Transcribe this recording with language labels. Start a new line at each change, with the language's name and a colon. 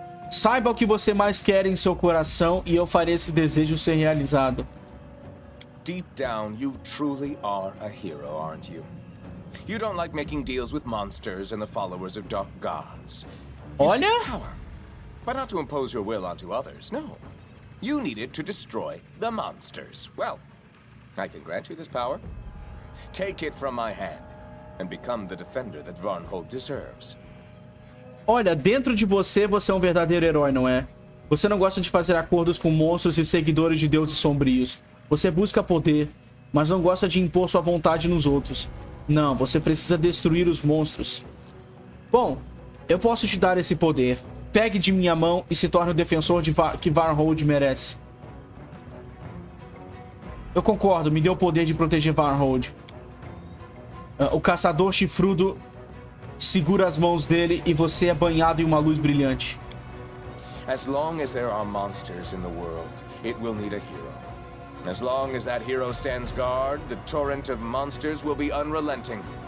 Portuguese: Saiba o que você mais quer em seu coração e eu farei esse desejo ser realizado.
English: Deep down, you truly are a hero, aren't you? You don't like making deals with monsters and the followers of dark gods.
Portuguese: Olha,
English: but not to impose your will onto others. No. You need it to destroy the monsters. Well, I can grant you this power. Take it from my hand and become the defender that Varnhold deserves.
Portuguese: Olha, dentro de você, você é um verdadeiro herói, não é? Você não gosta de fazer acordos com monstros e seguidores de deuses sombrios. Você busca poder, mas não gosta de impor sua vontade nos outros. Não, você precisa destruir os monstros. Bom, eu posso te dar esse poder. Pegue de minha mão e se torne o defensor que Varnhold merece. Eu concordo, me deu o poder de proteger Varnhold. O caçador chifrudo segura as mãos dele e você é banhado em uma luz brilhante.
English: As long as there are monsters in the world, it will need a hero. As long as that hero stands guard, the torrent of monsters will be unrelenting.